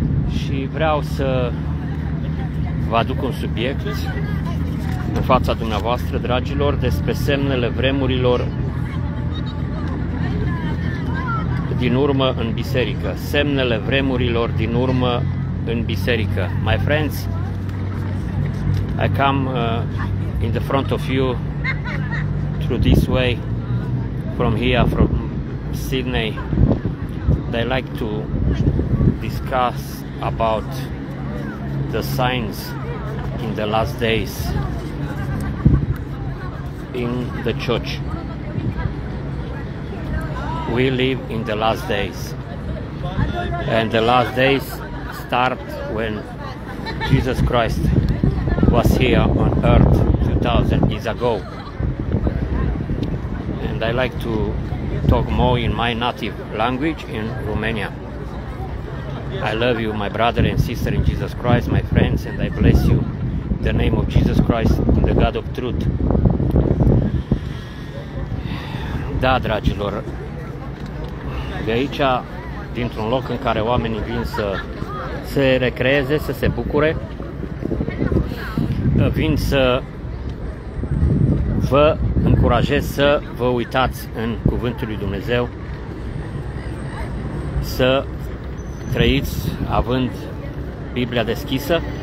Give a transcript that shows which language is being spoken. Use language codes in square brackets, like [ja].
[ro] Și vreau să vă aduc un subiect în fața dumneavoastră, dragilor, despre semnele vremurilor din urmă în biserică. Semnele vremurilor din urmă în biserică. [en] My friends, I come in the front of you through this way, from here, from Sydney. I like to discuss about the signs in the last days in the church. We live in the last days, and the last days start when Jesus Christ was here on earth 2000 years ago. And I like to talk more in my native language, in Romania. I love you, my brother and sister in Jesus Christ, my friends, and I bless you in the name of Jesus Christ, in the God of truth. [ro] Da, dragilor, de aici, dintr-un loc în care oamenii vin să se recreeze, să se bucure, vin să vă încurajez să vă uitați în Cuvântul lui Dumnezeu, să trăiți având Biblia deschisă